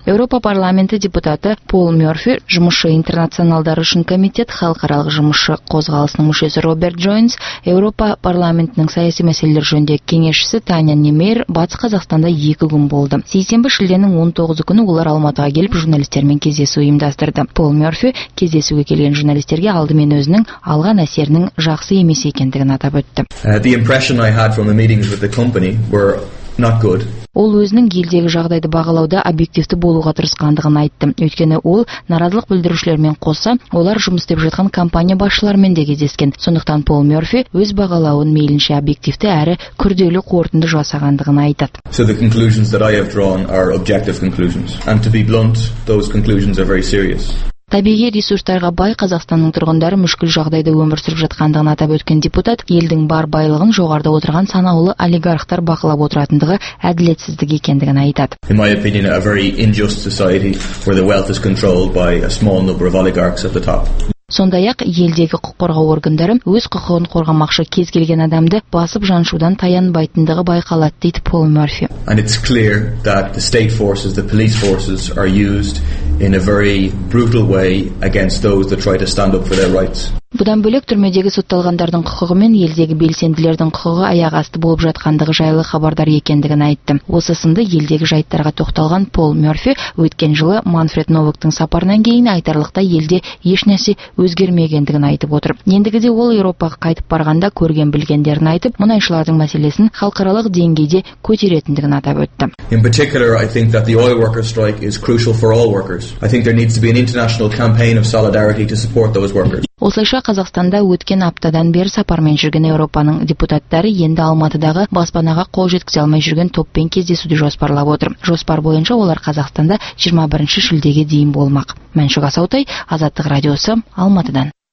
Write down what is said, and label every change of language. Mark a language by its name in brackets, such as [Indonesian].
[Kazakh] Еуропа парламенті депутаты Пол Мерфи, жұмысшы интернационалдары үшін комитет, халықаралық жұмысшы қозғалысының мүшесі Роберт Джойнс, Еуропа парламентінің саяси мәселелер жөніндегі кеңесшісі Таня Немейр Батыс Қазақстанда 2 күн болды. Сейсенбі шілденің 19 күні олар Алматыға келіп журналистермен кездесу ұйымдастырды. Пол Мерфи кездесуге келген журналистерге алдымен өзінің алған әсерінің жақсы емес екендігін атап өтті. [English] The impression I had from the meetings with the company were not good. [Kazakh] Ол өзінің елдегі жағдайды бағалауда объективті болуға тырысқандығын айтты. Өйткені ол наразылық білдірушілермен қоса олар жұмыс істеп жатқан компания басшыларымен де кездескен. Сондықтан Пол Мерфи өз бағалауын мейлінше объективті әрі күрделі қорытынды жасағандығын айтады. [English] So the conclusions that I have drawn are objective conclusions. And to be blunt, those conclusions are very serious. [Kazakh] Табиғи ресурстарға бай Қазақстанның тұрғындары мүшкіл жағдайда өмір сүріп жатқандығын атап өткен депутат, елдің бар байлығын жоғарыда отырған санаулы олигархтар бақылап отыратындығы әділетсіздік екендігін айтады. [English] In my opinion, a very unjust society where the wealth is controlled by a small number of oligarchs at the top. [Kazakh] Сондай-ақ елдегі құқық қорғау органдары өз құқығын қорғамақшы кез келген адамды басып жаншудан таянбайтындығы байқалады, дейді Пол Мерфи. [English] And it's clear that the state forces, the police forces are used in a very brutal way against those that try to stand up for their rights. [Kazakh] Бұдан бөлек түрмедегі сотталғандардың құқығы мен елдегі белсенділердің құқығы аяқ асты болып жатқандығы жайлы хабардар екендігін айтты. Осы сынды елдегі жайттарға тоқталған Пол Мерфи өткен жылы Манфред Новактың сапарынан кейін айтарлықтай елде ешнәрсе өзгермегендігін айтып отыр. Ендігіде ол Еуропаға қайтып барғанда көрген білгендерін айтып, мұнайшылардың мәселесін халықаралық деңгейде көтеретіндігін атап өтті. [English] In particular, I think that the oil workers strike is crucial for all workers. I think there needs to be an international campaign of solidarity to support those workers. [Kazakh] Осылайша Қазақстанда өткен аптадан бер сапармен жүрген Еуропаның депутаттары енді Алматыдағы баспанаға қол жеткізе алмай жүрген топпен кездесуді жоспарлап отыр. Жоспар бойынша олар Қазақстанда 21 шілдеге дейін болмақ. Мәншүк Асаутай, Азаттық радиосы, Алматыдан.